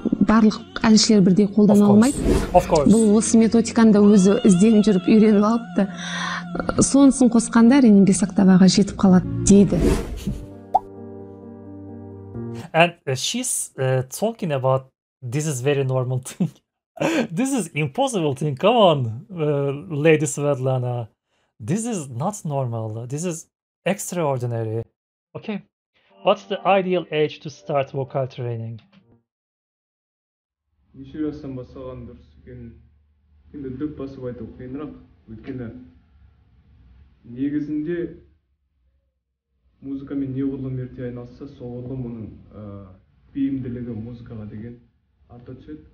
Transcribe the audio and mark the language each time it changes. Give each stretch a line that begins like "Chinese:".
Kazakh: Барлық әншілер бірдей қолдана алмайды. Бұл осы методиканда өзі ізденіп жүріп үйреніп алыпты. Сонсын қосқанда әрине 5 октаваға жетіп қалады дейді.
English: And she's talking about this is very normal thing. This is impossible thing. Come on, Lady Svetlana. This is not normal. This is extraordinary. Okay. What's the ideal age to start vocal training?
Kazakh: Неше жастан бастаған дұрыс екен. Енді дөп басып айту қиынырақ. Өйткені негізінде музыкамен не ғұрлым ерте айналысса, сол ғұрлым оның бейімділігі музыкаға деген арта түседі.